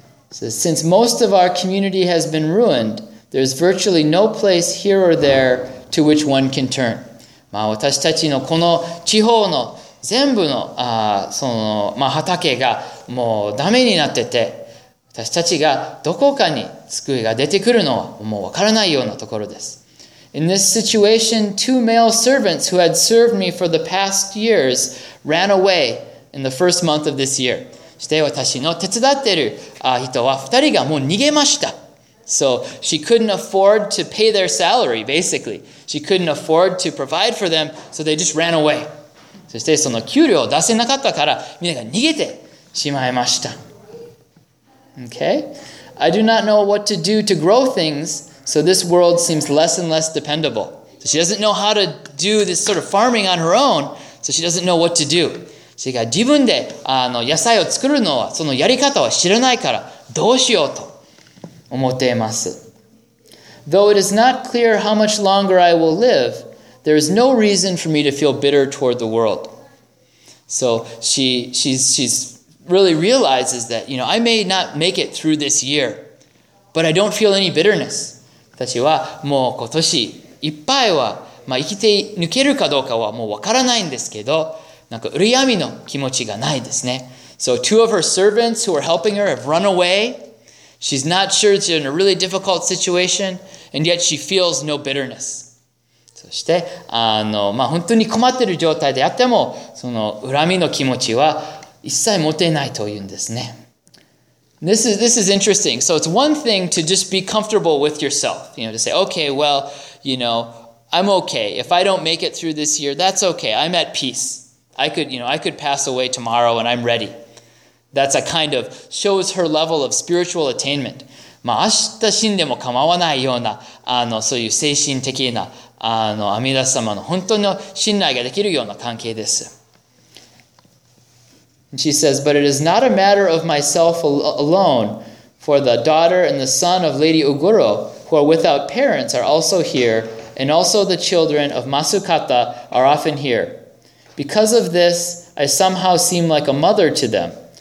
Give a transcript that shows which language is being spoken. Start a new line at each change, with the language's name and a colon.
English: So, since most of our community has been ruined, there's virtually no place here or there to which one can turn.
Japanese: まあ、私たちのこの地方の全部の、その、まあ、畑がもうダメになってて、私たちがどこかに救いが出てくるのはもうわからないようなところです。
English: In this situation, two male servants who had served me for the past years ran away in the first month of this year.
Japanese: そして私の手伝っている人は二人がもう逃げました。
English: So she couldn't afford to pay their salary, basically. She couldn't afford to provide for them, so they just ran away.
Japanese: そしてその給料を出せなかったからみんなが逃げてしまいました。
English: Okay, I do not know what to do to grow things, so this world seems less and less dependable. So she doesn't know how to do this sort of farming on her own, so she doesn't know what to do. She
Japanese: が自分で野菜を作るのはそのやり方は知らないからどうしようと思っています。
English: Though it is not clear how much longer I will live, there is no reason for me to feel bitter toward the world. So she's really realizes that, you know, I may not make it through this year, but I don't feel any bitterness.
Japanese: 私はもう今年いっぱいは、まあ、生きて抜けるかどうかはもうわからないんですけど、なんか恨みの気持ちがないですね。
English: So two of her servants who are helping her have run away. She's not sure she's in a really difficult situation, and yet she feels no bitterness.
Japanese: そして、まあ、本当に困ってる状態であっても、その恨みの気持ちは一切持てないというんですね。
English: This is interesting. So it's one thing to just be comfortable with yourself, you know, to say, okay, well, you know, I'm okay. If I don't make it through this year, that's okay. I'm at peace. I could pass away tomorrow and I'm ready. That's a kind of shows her level of spiritual attainment.
Japanese: まあ、明日死んでも構わないような、そういう精神的な、阿弥陀様の本当の信頼ができるような関係です。
English: And she says, but it is not a matter of myself alone, for the daughter and the son of Lady Uguro, who are without parents, are also here, and also the children of Masukata are often here. Because of this, I somehow seem like a mother to them.